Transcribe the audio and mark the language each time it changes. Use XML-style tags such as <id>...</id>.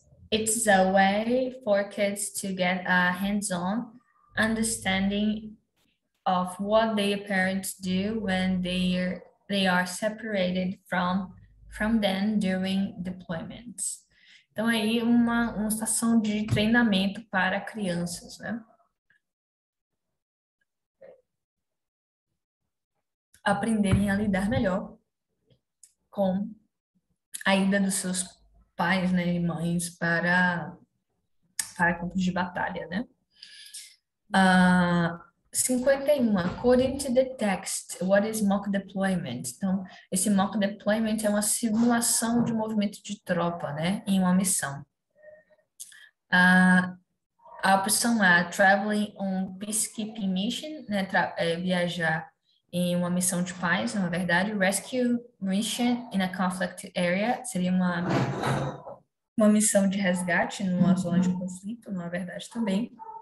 <en>It's a way for kids to get a hands-on understanding of what their parents do when they are separated from them during deployments.</en> <pt>Então, aí uma estação de treinamento para crianças, né? Aprenderem a lidar melhor com a ida dos seus pais, né, e mães para campos de batalha, né? 51.</pt> <en>According to the text, what is mock deployment?</en> <pt>Então, esse mock deployment é uma simulação de movimento de tropa, né, em uma missão. A opção A,</pt> <en>traveling on peacekeeping mission,</en> <pt>né, viajar em uma missão de paz, na verdade,</pt> <en>rescue mission in a conflict area,</en> <pt>seria uma missão de resgate numa zona de conflito, na verdade, também.</pt>